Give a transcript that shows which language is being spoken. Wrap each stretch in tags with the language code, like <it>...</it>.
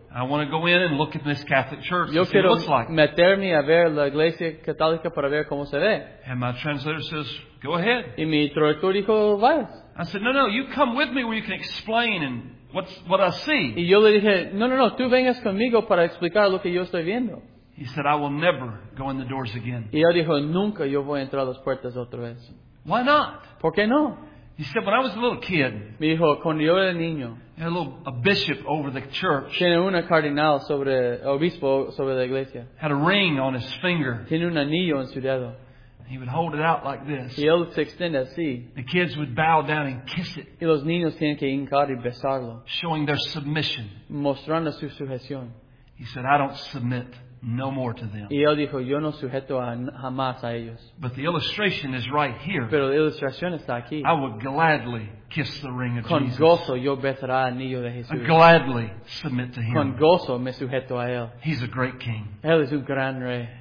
<en>I want to go in and look at this Catholic church.</en> <es>Yo</es> <en>and see what it looks like.</en> <es>Meterme a ver la iglesia católica para ver cómo se ve.</es> <en>And my translator says, "Go ahead."</en> <es>Y mi traductor dijo, "Vayas."</es> <en>I said, "No, you come with me where you can explain and what I see."</en> <es>Y yo le dije, "No, tú vengas conmigo para explicar lo que yo estoy viendo."</es> <en>He said, "I will never go in the doors again."</en> <es>Y él dijo, "Nunca yo voy a entrar a las puertas otra vez."</es> <en>Why not?</en> <es>¿Por qué no?</es> <en>He said, "When I was a little kid,"</en> <es>me dijo, "cuando yo era niño,"</es> <en>had a bishop over the church.</en> <es>Tiene un cardenal sobre obispo sobre la iglesia.</es> <en>Had a ring on his finger.</en> <es>Tiene un anillo en su dedo.</es> <en>He would hold it out like this.</en> <es>Y él se extiende así.</es> <en>The kids would bow down and kiss it.</en> <es>Y los niños tienen que hincar y besarlo.</es> <en>Showing their submission.</en> <es>Mostrando su sujeción.</es> <en>He said, "I don't submit no more to them."</en> <es>Y él dijo, "Yo no sujeto jamás a ellos."</es> <en>But the illustration is right here.</en> <es>Pero la ilustración está aquí.</es> <en>I would gladly kiss the ring of</en> <es>con</es> <en>Jesus.</en> <es>Con gozo yo besará el anillo de Jesús.</es> <en>I gladly submit to him.</en> <es>Con gozo me sujeto a él.</es> <en>He's a great king.</en> <es>Él es un gran rey.</es>